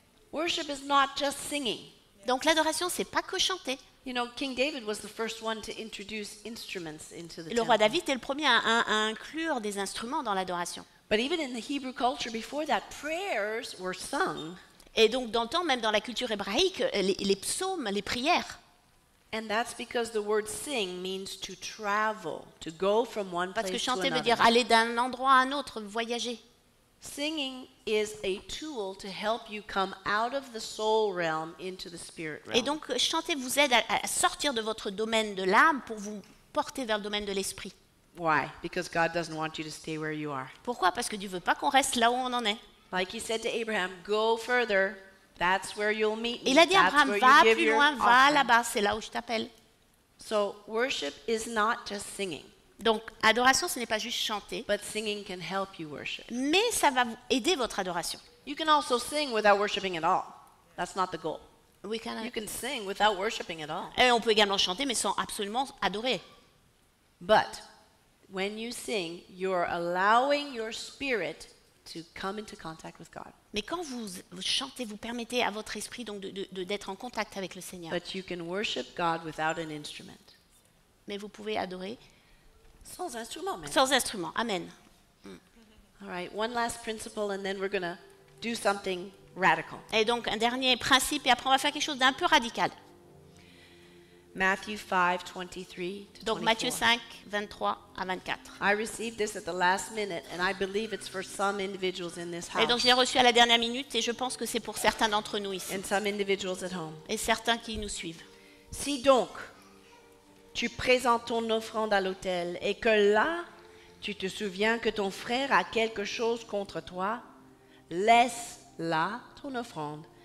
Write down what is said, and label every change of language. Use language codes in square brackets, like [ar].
[en] Worship is not just singing. [fr] Donc l'adoration, c'est pas que chanter. [en] You know, King David was the first one to introduce instruments into the temple. [fr] Le roi David est le premier à inclure des instruments dans l'adoration. [en] But even in the Hebrew culture before that, prayers were sung. [fr] Et donc dans le temps, même dans la culture hébraïque, les psaumes, les prières. [en] And that's because the word sing means to travel, to go from one place to another. [fr] Parce que chanter veut dire aller d'un endroit à un autre, voyager. [en] Singing is a tool to help you come out of the soul realm into the spirit realm. [fr] Et donc chanter vous aide à sortir de votre domaine de l'âme pour vous porter vers le domaine de l'esprit. [en] Why? Because God doesn't want you to stay where you are. [fr] Pourquoi? Parce que Dieu veut pas qu'on reste là où on en est. [en] Like he said to Abraham, go further. That's where you'll meet me. [fr] Il a dit à Abraham, va plus loin, va là-bas, c'est là où je t'appelle. [en] So worship is not just singing. [fr] Donc adoration, ce n'est pas juste chanter. [en] But singing can help you worship. [fr] Mais ça va aider votre adoration. [en] You can also sing without worshiping at all. That's not the goal. We can. You can sing without worshiping at all. [fr] Et on peut également chanter, mais sans absolument adorer. [en] But when you sing, you're allowing your spirit to come into contact with God. [fr] Mais quand vous chantez, vous permettez à votre esprit donc d'être en contact avec le Seigneur. [en] But you can worship God without an instrument. [fr] Mais vous pouvez adorer sans instrument. Sans instrument. Amen. [en] All right, one last principle and then we're going to do something radical. [fr] Et donc un dernier principe et après on va faire quelque chose d'un peu radical. [en] Matthew 5, 23 to 24. [fr] Donc Matthieu 5, 23 à 24. [en] I received this at the last minute and I believe it's for some individuals in this house. [fr] Et donc j'ai reçu à la dernière minute et je pense que c'est pour certains d'entre nous ici. [en] And some individuals at home. [fr] Et certains qui nous suivent. Si donc tu présentes ton offrande à l'autel et que là tu te souviens que ton frère a quelque chose contre toi, laisse là ton offrande.